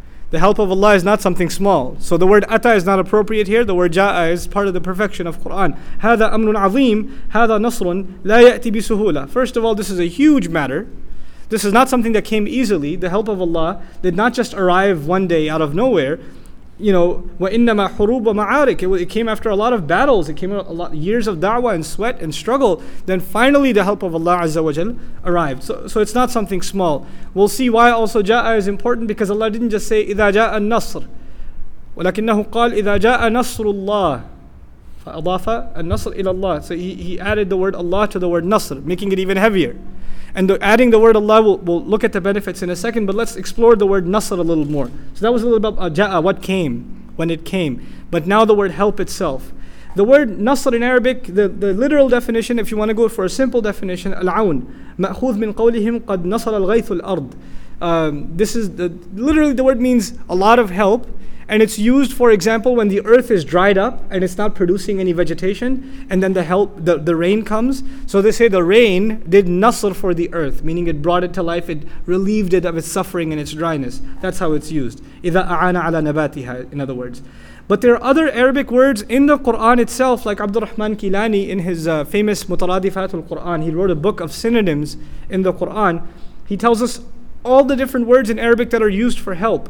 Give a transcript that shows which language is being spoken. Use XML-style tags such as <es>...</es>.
<en>The help of Allah is not something small. So the word أَتَى is not appropriate here. The word جَاءَ is part of the perfection of Quran.</en> <ar>هَذَا أَمْرٌ عَظِيمٌ هَذَا نَصْرٌ لَا يَأْتِ بِسُهُولَةٍ.</ar> <en>First of all, this is a huge matter. This is not something that came easily. The help of Allah did not just arrive one day out of nowhere. You know,</en> <ar>وَإِنَّمَا حُرُوبَ مَعَارِكَ.</ar> <en>It came after a lot of battles. It came after a lot years of da'wah and sweat and struggle. Then finally the help of Allah Azza wa Jal arrived. So it's not something small. We'll see why also ja'a is important, because Allah didn't just say</en> <ar>إِذَا جَاءَ النَّصْرِ وَلَكِنَّهُ قَالْ إِذَا جَاءَ نَصْرُ اللَّهِ فَأَضَافَ النَّصْرِ إِلَى اللَّهِ.</ar> <en>So he added the word Allah to the word نَصْرِ, making it even heavier. And adding the word Allah, we'll look at the benefits in a second, but let's explore the word nasr a little more. So that was a little about ja'a, what came, when it came. But now the word help itself. The word nasr in Arabic, the literal definition, if you want to go for a simple definition,</en> <ar>al-awn, ma'khudh min qawlihim qad nasr al-ghayth al-ard.</ar> <en>This is, literally the word means a lot of help. And it's used, for example, when the earth is dried up and it's not producing any vegetation, and then the rain comes. So they say the rain did nasr for the earth, meaning it brought it to life, it relieved it of its suffering and its dryness. That's how it's used.</en> <ar>إِذَا أَعَانَ عَلَى نَبَاتِهَا,</ar> <en>in other words. But there are other Arabic words in the Qur'an itself, like Abdurrahman Kilani in his famous Mutaradifatul Qur'an, he wrote a book of synonyms in the Qur'an. He tells us all the different words in Arabic that are used for help.</en>